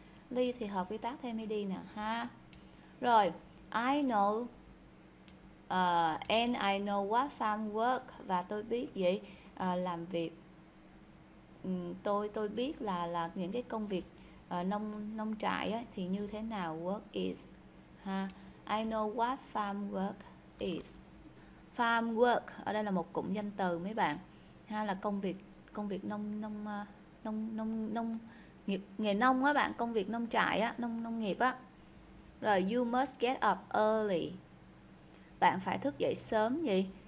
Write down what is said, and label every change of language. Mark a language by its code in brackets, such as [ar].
[vi] Live thì hợp với tác thêm ed nè, ha. Rồi, [en] I know and I know what farm work, [vi] và tôi biết gì? Làm việc. Tôi biết là những cái công việc nông nông trại ấy, thì như thế nào. [en] Work is ha, I know what farm work is. [vi] Farm work ở đây là một cụm danh từ mấy bạn ha, là công việc nông nông nông nông, nông, nông nghiệp, nghề nông á bạn, công việc nông trại á, nông nông nghiệp á. Rồi, [en] you must get up early, [vi] bạn phải thức dậy sớm. Gì?